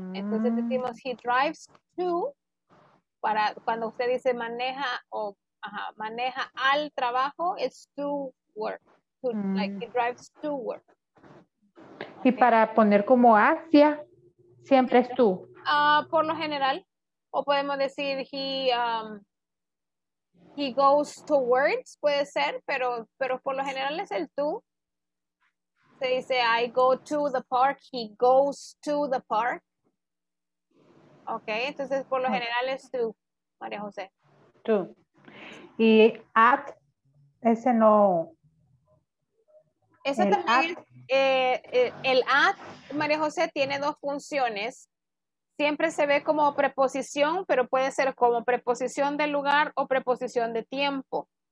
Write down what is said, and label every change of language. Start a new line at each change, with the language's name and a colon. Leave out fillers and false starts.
Spanish: Mm. Entonces decimos
English: he drives to,
Spanish: para cuando usted dice maneja o maneja al trabajo,
English: it's to work, to, like he drives to work.
Spanish: Y para poner como hacia, siempre es tú. Por lo general, o podemos decir
English: he he goes towards,
Spanish: puede ser, pero por lo general es el tú. Se dice
English: I go to the park, he goes to the park.
Spanish: Okay, entonces por lo general es tú, María José. Tú. Y at, ese no. Ese también, el at, María José, tiene dos funciones. Siempre se ve como preposición, pero puede ser como preposición de lugar o preposición de tiempo.